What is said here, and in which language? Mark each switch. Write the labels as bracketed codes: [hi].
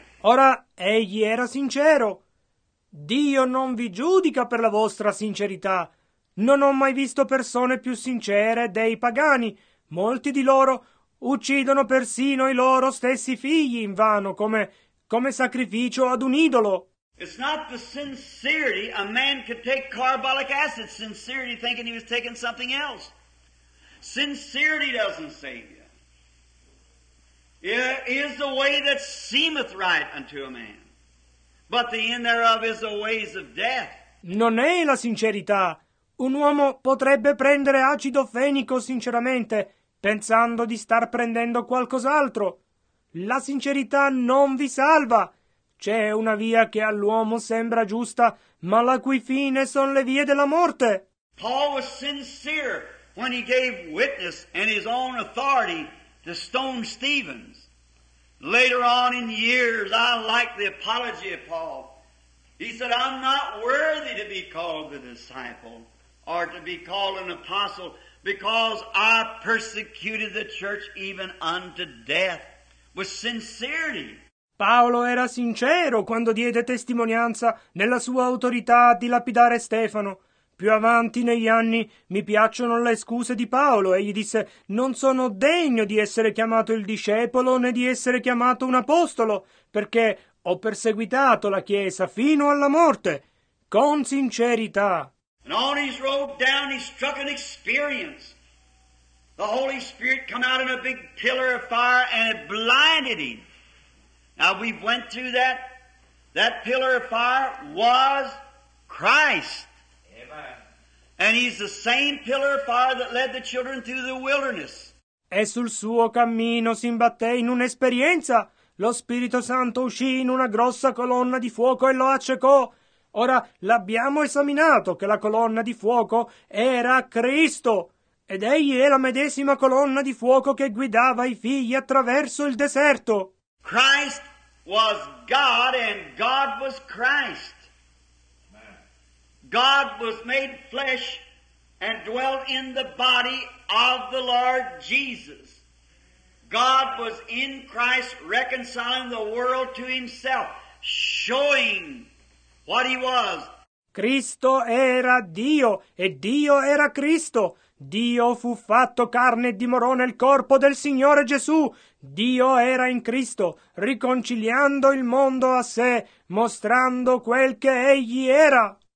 [it] Ora, egli era sincero. Dio non vi giudica per la vostra sincerità. Non ho mai visto persone più sincere dei pagani. Molti di loro uccidono persino i loro stessi figli in vano, come sacrificio ad un idolo. [en] It's not the sincerity. A man could take carbolic acid, sincerity, thinking he was taking something else. Sincerity doesn't save you. It is the way that seemeth right unto a man, but the end thereof is the ways of death. [it] Non è la sincerità. Un uomo potrebbe prendere acido fenico sinceramente, pensando di star prendendo qualcos'altro. La sincerità non vi salva. C'è una via che all'uomo sembra giusta, ma la cui fine sono le vie della morte. [en] Paul was sincere when he gave witness and his own authority to stone Stephens. Later on in years, I like the apology of Paul. He said, I'm not worthy to be called a disciple or to be called an apostle because I persecuted the church even unto death with sincerity. [it] Paolo era sincero quando diede testimonianza nella sua autorità di lapidare Stefano. Più avanti negli anni mi piacciono le scuse di Paolo. Egli disse, non sono degno di essere chiamato il discepolo né di essere chiamato un apostolo, perché ho perseguitato la Chiesa fino alla morte, con sincerità. [en] And on his road down he struck an experience. The Holy Spirit come out in a big pillar of fire and it blinded him. Now we went through that. That pillar of fire was Christ. And he's the same pillar of fire that led the children through the wilderness. [it] E sul suo cammino si imbatté in un'esperienza. Lo Spirito Santo uscì in una grossa colonna di fuoco e lo accecò. Ora l'abbiamo esaminato che la colonna di fuoco era Cristo. Ed egli è la medesima colonna di fuoco che guidava i figli attraverso il deserto. [en] Christ was God and God was Christ. God was made flesh and dwelt in the body of the Lord Jesus. God was in Christ reconciling the world to himself, showing what he was. [it] Cristo era Dio e Dio era Cristo. Dio fu fatto carne e dimorò nel corpo del Signore Gesù. Dio era in Cristo, riconciliando il mondo a sé, mostrando quel che egli era.